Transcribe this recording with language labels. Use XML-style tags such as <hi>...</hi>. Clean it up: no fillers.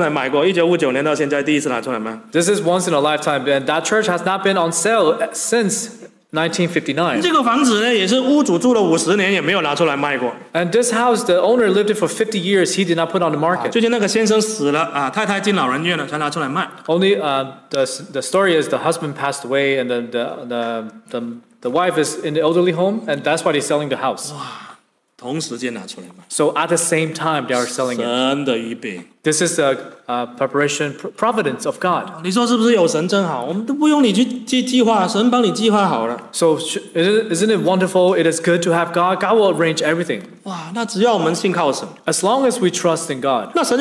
<zh>这个你等50年都等不到一次，因为那个教堂没有拿出来买过，1959年到现在第一次拿出来卖。</zh> <en>This is once in a lifetime, and that church has not been on sale since 1959.</en> <zh>这个房子呢，也是屋主住了50年也没有拿出来卖过。</zh> <en>And this house, the owner lived it for 50 years. He did not put on the market.</en> <zh>最近那个先生死了啊，太太进老人院了，才拿出来卖。</zh> <en>Only the story is the husband passed away, and then the wife is in the elderly home, and that's why they're selling the house.</en> <zh>哇，同时间拿出来卖。</zh> <en>So at the same time, they are selling it.</en> <zh>神的预备。</zh> <en>This is a preparation providence of God.</en> <zh>你说是不是有神真好？我们都不用你去计划，神帮你计划好了。</zh> <en>So isn't it wonderful? It is good to have God. God will arrange everything.</en> <zh>哇，那只要我们信靠神。</zh> <en>As long as we trust in God.</en>